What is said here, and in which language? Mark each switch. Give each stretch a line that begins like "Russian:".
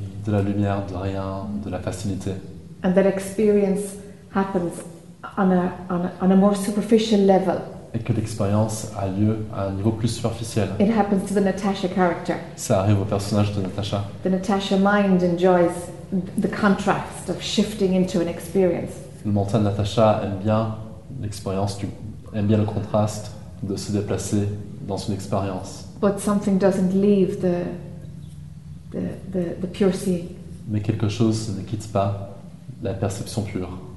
French: De la lumière, de rien, de la facilité.
English: And that experience happens on a more superficial level.
French: Et que l'expérience a lieu à un niveau plus superficiel.
English: It happens to the Natasha character.
French: Ça arrive au personnage de Natasha.
English: The Natasha mind enjoys the contrast of shifting into an experience.
French: Le mental de Natasha aime bien l'expérience, aime bien le contraste de se déplacer dans une expérience.
English: But something doesn't leave the pure seeing.
French: Mais quelque chose ne quitte pas la perception pure.